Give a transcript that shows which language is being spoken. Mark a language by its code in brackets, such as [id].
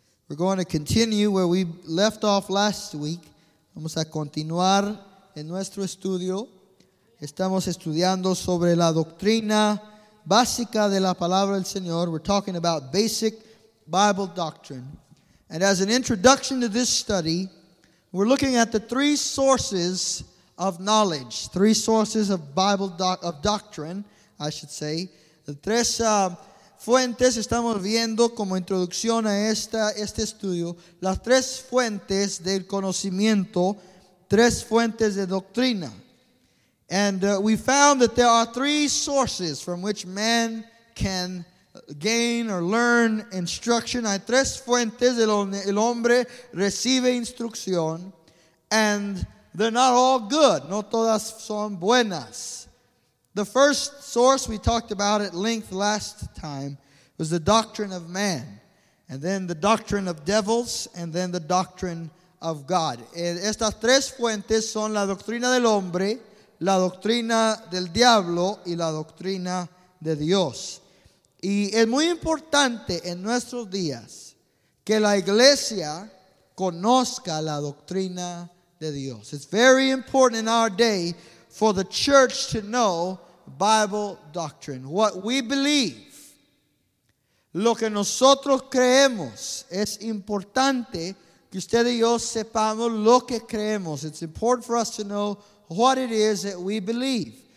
[en] We're going to continue where we left off last week. [es] Vamos a continuar en nuestro estudio. Estamos estudiando sobre la doctrina básica de la palabra del Señor. [en] We're talking about basic Bible doctrine. And as an introduction to this study, we're looking at the three sources of knowledge, three sources of Bible doctrine, I should say. [es] Tres fuentes estamos viendo como introducción a este estudio, las tres fuentes del conocimiento, tres fuentes de doctrina. [en] And we found that there are three sources from which man can gain or learn instruction. [es] Hay tres fuentes de donde el hombre recibe instrucción, [en] and they're not all good. [es] No todas son buenas. [en] The first source we talked about at length last time was the doctrine of man, and then the doctrine of devils, and then the doctrine of God. [es] Estas tres fuentes son la doctrina del hombre, la doctrina del diablo y la doctrina de Dios. Y es muy importante en nuestros días que la iglesia conozca la doctrina de Dios. [en] It's very important in our day for the church to know Bible doctrine. What we believe, [es] lo que nosotros creemos, es importante que usted y yo sepamos lo que creemos. [en] It's important for us to know what it is that we believe.